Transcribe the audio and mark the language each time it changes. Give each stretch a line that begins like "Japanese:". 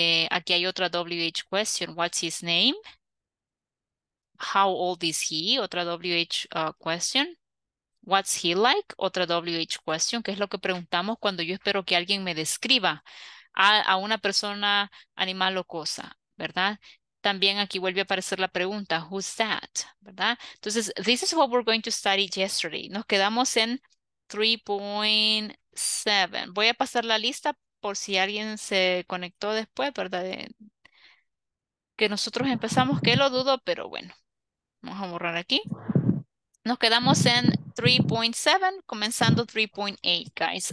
Spanish: Aquí hay otra
English: WH question. What's his name? How old is he?
Spanish: Otra
English: WH question. What's he like?
Spanish: Otra WH question. ¿Qué es lo que preguntamos cuando yo espero que alguien me describa a una persona, animal o cosa? ¿Verdad? También aquí vuelve a aparecer la pregunta,
English: who's that,
Spanish: ¿verdad? Entonces,
English: this is what we're going to study yesterday.
Spanish: Nos quedamos en 3.7. Voy a pasar la lista por si alguien se conectó después, ¿verdad? Que nosotros empezamos, que lo dudo, pero bueno. Vamos a borrar aquí. Nos quedamos en 3.7, comenzando 3.8, guys.